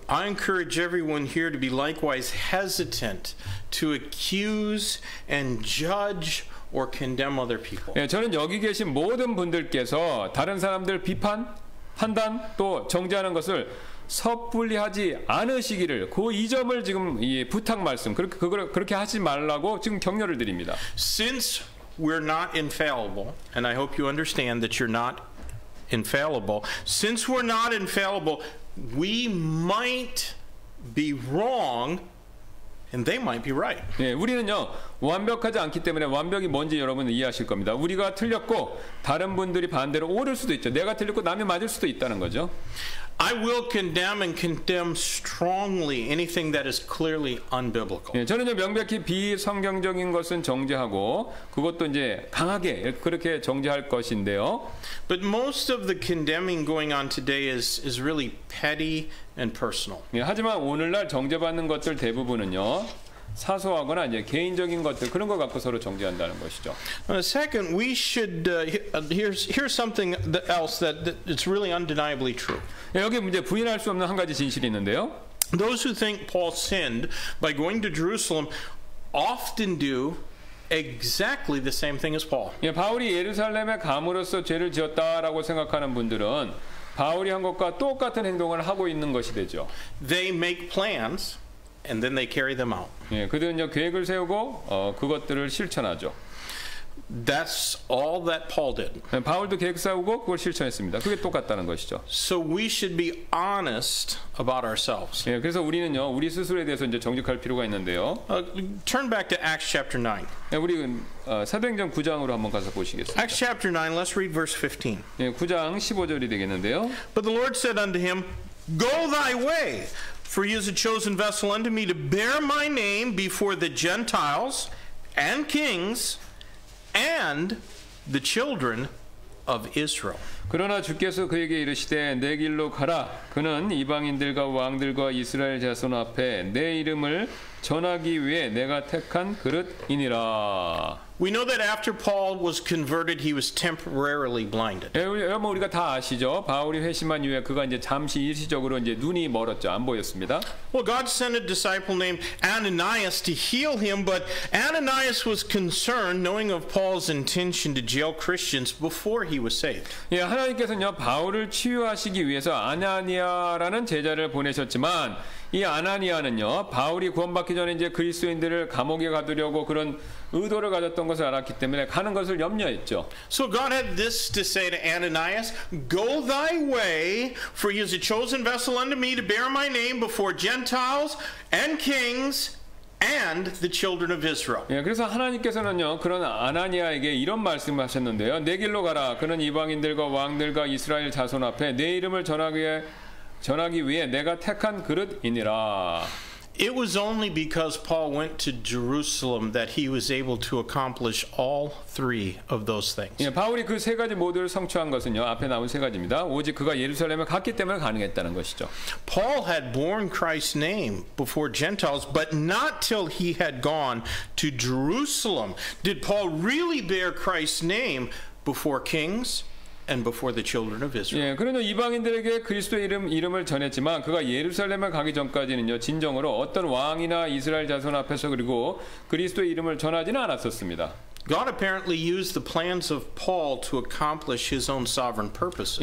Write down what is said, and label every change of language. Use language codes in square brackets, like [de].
[en] I encourage everyone here to be likewise hesitant to accuse and judge or condemn other people. [ko] 예, 저는 여기 계신 모든 분들께서 다른 사람들 비판, 판단 또 정죄하는 것을 섣불리하지 않으시기를 그 이 점을 지금 이 부탁 말씀 그렇게 하지 말라고 지금 격려를 드립니다. [en] Since we're not infallible, and I hope you understand that you're not infallible. Since we're not infallible, we might be wrong, and they might be right. [ko] 네, 우리는요 완벽하지 않기 때문에 완벽이 뭔지 여러분은 이해하실 겁니다. 우리가 틀렸고 다른 분들이 반대로 옳을 수도 있죠. 내가 틀렸고 남이 맞을 수도 있다는 거죠. [en] I will condemn and condemn strongly anything that is clearly unbiblical. [ko] 예, 저는 명백히 비성경적인 것은 정죄하고 그것도 이제 강하게 그렇게 정죄할 것인데요. [en] But most of the condemning going on today is really petty and personal. [ko] 예, 하지만 오늘날 정죄받는 것들 대부분은요. 사소하거나 이제 개인적인 것들 그런 것 갖고 서로 정죄한다는 것이죠. [en] Second, we should here's something else that it's really undeniably true. [ko] 예, 여기 이제 부인할 수 없는 한 가지 진실이 있는데요. [en] Those who think Paul sinned by going to Jerusalem often do exactly the same thing as Paul. [ko] 예, 바울이 예루살렘에 감으로써 죄를 지었다라고 생각하는 분들은 바울이 한 것과 똑같은 행동을 하고 있는 것이 되죠. [en] They make plans. And then they carry them out. [ko] 예, 그들은요 계획을 세우고 그것들을 실천하죠. [en] That's all that Paul did. [ko] 예, 바울도 계획 세우고 그걸 실천했습니다. 그게 똑같다는 것이죠. [en] So we should be honest about ourselves. [ko] 예, 그래서 우리는요 우리 스스로에 대해서 이제 정직할 필요가 있는데요. [en] Turn back to Acts chapter 9. [ko] 예, 우리 사도행전 9장으로 한번 가서 보시겠습니다. [en] Acts chapter 9. Let's read verse 15. [ko] 예, 9장 15절이 되겠는데요. [en] But the Lord said unto him, Go thy way. For he is a chosen vessel unto me to bear my name before the Gentiles and kings and the children of Israel. [ko] 그러나 주께서 그에게 이르시되 내 길로 가라. 그는 이방인들과 왕들과 이스라엘 자손 앞에 내 이름을 전하기 위해 내가 택한 그릇이니라. [en] We know that after Paul was converted, he was temporarily blinded. [ko] 여러분 우리가 다 아시죠. 바울이 회심한 이후에 그가 이제 잠시 일시적으로 이제 눈이 멀었죠. 안 보였습니다. [en] Well, God sent a disciple named Ananias to heal him, but Ananias was concerned, knowing of Paul's intention to jail Christians before he was saved. [ko] 예, 하나님께서는요 바울을 치유하시기 위해서 아나니아라는 제자를 보내셨지만. 이 아나니아는요 바울이 구원받기 전에 이제 그리스도인들을 감옥에 가두려고 그런 의도를 가졌던 것을 알았기 때문에 가는 것을 염려했죠. [en] So God had this to say to Ananias, Go thy way, for he is a chosen vessel unto me to bear my name before Gentiles and kings and the children of Israel. [ko] 예, 그래서 하나님께서는요 그런 아나니아에게 이런 말씀을 하셨는데요. 내 길로 가라. 그는 이방인들과 왕들과 이스라엘 자손 앞에 내 이름을 전하기 위해 내가 택한 그릇이니라. [en] It was only because Paul went to Jerusalem that he was able to accomplish all three of those things. [ko] 예, 바울이 그 세 가지 모두를 성취한 것은요. 앞에 나온 세 가지입니다. 오직 그가 예루살렘에 갔기 때문에 가능했다는 것이죠. [en] Paul had borne Christ's name before Gentiles, but not till he had gone to Jerusalem did Paul really bear Christ's name before kings. And before the children of Israel. [ko] 예, 그러나 이방인들에게 그리스도의 이름을 전했지만 그가 예루살렘을 가기 전까지는요 진정으로 어떤 왕이나 이스라엘 자손 앞에서 그리고 그리스도의 이름을 전하지는 않았었습니다. [en] God apparently used the plans of Paul to accomplish His own sovereign purposes.